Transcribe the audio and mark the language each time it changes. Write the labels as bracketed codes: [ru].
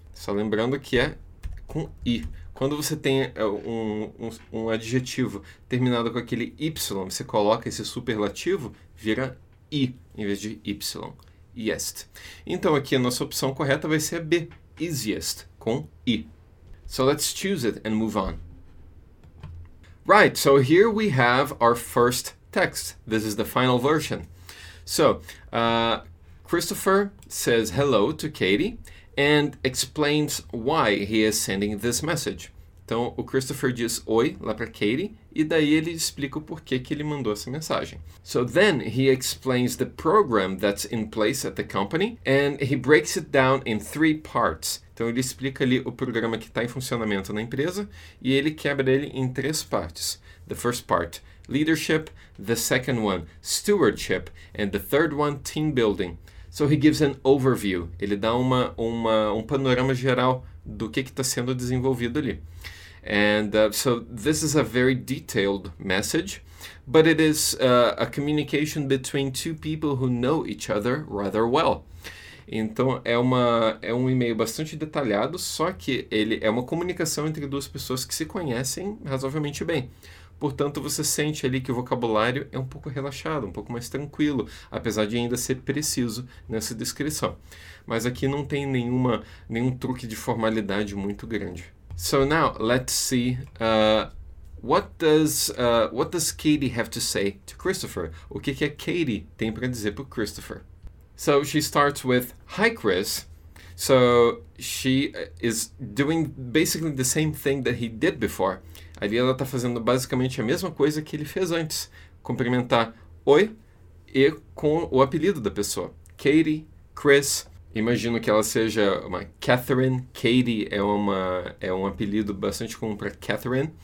[pt] Só lembrando que é com i. Quando você tem um adjetivo terminado com aquele y, você coloca esse superlativo, vira i em vez de y, yest. Então aqui a nossa opção correta vai ser a B, easiest, com i. [en] So let's choose it and move on. Right, so here we have our first text. This is the final version. So, Christopher says hello to Katie and explains why he is sending this message. [pt] Então, o Christopher diz oi lá para Katie e daí ele explica o porquê que ele mandou essa mensagem. [en] So then he explains the program that's in place at the company and he breaks it down in three parts. [pt] Então, ele explica ali o programa que está em funcionamento na empresa e ele quebra ele em três partes. [en] The first part, leadership. The second one, stewardship. And the third one, team building. So he gives an overview. [pt] Ele dá um panorama geral do que está sendo desenvolvido ali. [en] And so this is a very detailed message, but it is a communication between two people who know each other rather well. [pt] Então é um e-mail bastante detalhado, só que ele é uma comunicação entre duas pessoas que se conhecem razoavelmente bem. Portanto, você sente ali que o vocabulário é um pouco relaxado, um pouco mais tranquilo, apesar de ainda ser preciso nessa descrição. Mas aqui não tem nenhum truque de formalidade muito grande. [en] So now let's see what does Katie have to say to Christopher? [pt] O que que a Katie tem para dizer para Christopher? [en] So she starts with "Hi, Chris." So she is doing basically the same thing that he did before. [pt] Ali ela está fazendo basicamente a mesma coisa que ele fez antes, cumprimentar "Oi" e com o apelido da pessoa, Katie, Chris. Imagino que ela seja uma Catherine. Katie é um apelido bastante comum para Catherine.